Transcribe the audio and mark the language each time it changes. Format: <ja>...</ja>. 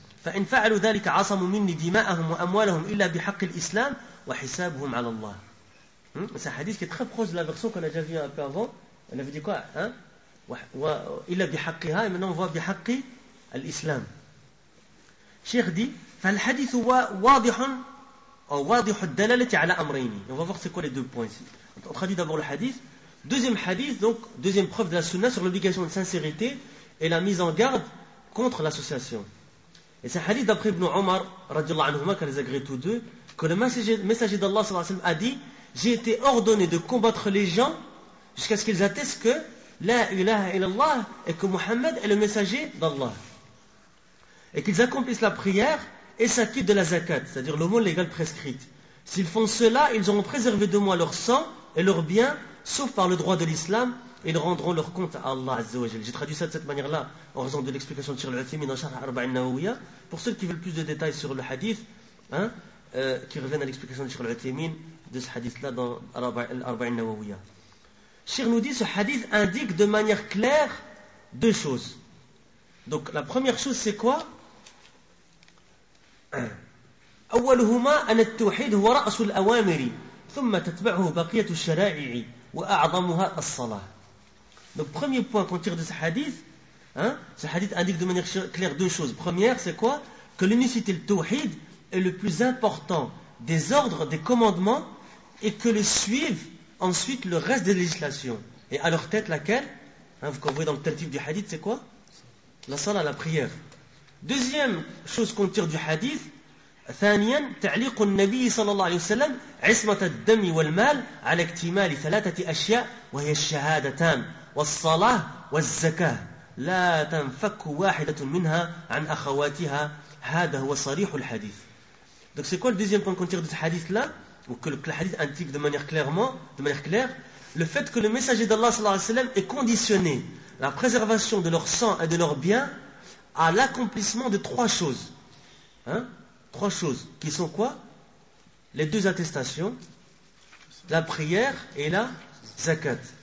<ar>فإن فعلوا ذلك عصموا مني دماءهم وأموالهم إلا بحق الإسلام وحسابهم على الله.</ar> <fr>C'est un hadith qui est très proche de la version qu'on a déjà vue un peu avant. On avait dit quoi, hein?</fr> <ar>إلا بحقها.</ar> <fr>Et maintenant on voit</fr> <ar>بحق الإسلام.</ar> <fr>Cheikh dit,</fr> <ar>فالحديث واضح أو واضح الدلالة على أمرين.</ar> <fr>On va voir c'est quoi les deux points ici. On traduit d'abord le hadith. Deuxième hadith, donc deuxième preuve de la sunna sur l'obligation de sincérité et la mise en garde contre l'association. Et c'est un hadith d'après Ibn Omar, radiallahu anhu, qui les agréé tous deux, que le messager d'Allah sallallahu alayhi wa sallam a dit, j'ai été ordonné de combattre les gens jusqu'à ce qu'ils attestent que la ilaha illallah et que Muhammad est le messager d'Allah. Et qu'ils accomplissent la prière et s'acquittent de la zakat, c'est-à-dire l'aumône légale prescrite. S'ils font cela, ils auront préservé de moi leur sang et leur bien, sauf par le droit de l'islam. Ils rendront leur compte à Allah Azza wa Jal. J'ai traduit ça de cette manière-là, en raison de l'explication de Cheikh Al-Uthaymeen dans Sharh Arba'in Nawawiyah. Pour ceux qui veulent plus de détails sur le hadith, hein, qui reviennent à l'explication de Cheikh Al-Uthaymeen de ce hadith-là dans Arba'in Nawawiyah. Cheikh nous dit, ce hadith indique de manière claire deux choses. Donc la première chose c'est quoi ?</fr> <ar>أولهما أن التوحيد هو رأس الأوامر ثم تتبعه بقية الشرائع وأعظمها الصلاة.</ar> <fr>Donc, premier point qu'on tire de ce hadith, hein, ce hadith indique de manière claire deux choses. Première, c'est quoi ? Que l'unicité, le tawhid, est le plus important des ordres, des commandements, et que le suivent ensuite le reste des législations. Et à leur tête, laquelle ? Hein, vous voyez dans le tertif du hadith, c'est quoi ? La salah, la prière. Deuxième chose qu'on tire du hadith,</fr> <ar>ثانياً تعليق النبي صلى الله عليه وسلم عصمة الدم والمال على اكتمال ثلاثة أشياء وهي الشهادتان والصلاة والزكاة لا تنفك واحدة منها عن أخواتها هذا هو صريح الحديث.</ar> <fr>Donc c'est quoi le deuxième point qu'on tire de ce hadith là, ou que le hadith indique de manière clairement, de manière claire, le fait que le messager d'Allah صلى الله عليه وسلم est conditionné la préservation de leur sang et de leur bien à l'accomplissement de trois choses, hein? Trois choses qui sont quoi? Les deux attestations, la prière et la zakat.</fr>